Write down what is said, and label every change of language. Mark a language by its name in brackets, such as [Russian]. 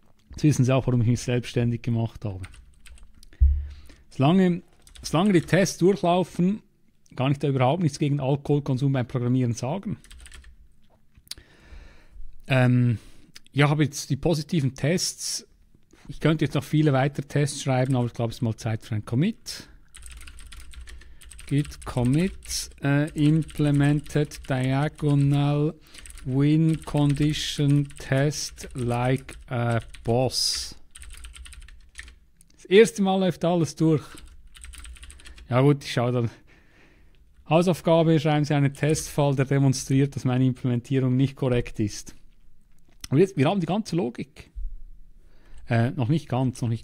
[German] Jetzt wissen Sie auch, warum ich mich selbstständig gemacht habe. Solange die Tests durchlaufen, kann ich da überhaupt nichts gegen Alkoholkonsum beim Programmieren sagen. Ich habe jetzt die positiven Tests. Ich könnte jetzt noch viele weitere Tests schreiben, aber ich glaube, es ist mal Zeit für ein Commit. [English] Git commit implemented diagonal win condition test like a boss. [German] erste Mal läuft alles durch. Ja gut, ich schaue dann. Hausaufgabe, schreiben Sie einen Testfall, der demonstriert, dass meine Implementierung nicht korrekt ist. Aber jetzt, wir haben die ganze Logik. Noch nicht ganz.